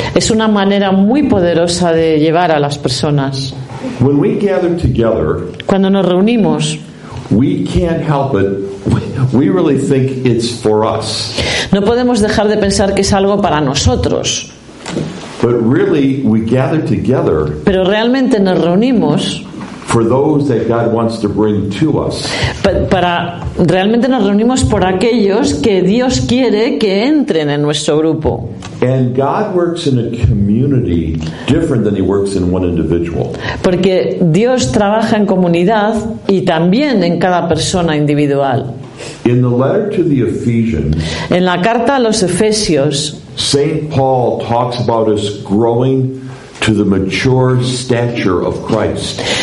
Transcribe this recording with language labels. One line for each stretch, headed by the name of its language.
Spanish: Es una manera muy poderosa de llevar a las personas.
English: When we gather together,
Spanish: cuando nos reunimos,
English: we can't help it. We really think it's for us.
Spanish: No podemos dejar de pensar que es algo para nosotros.
English: But really, we gather together.
Spanish: Pero realmente nos reunimos.
English: For those that God wants to bring to us.
Spanish: Para realmente nos reunimos por aquellos que Dios quiere que entren en nuestro grupo.
English: And God works in a community different than he works in one individual.
Spanish: Porque Dios trabaja en comunidad y también en cada persona individual.
English: In the letter to the Ephesians,
Spanish: en la carta a los Efesios,
English: Saint Paul talks about us growing to the mature stature of Christ.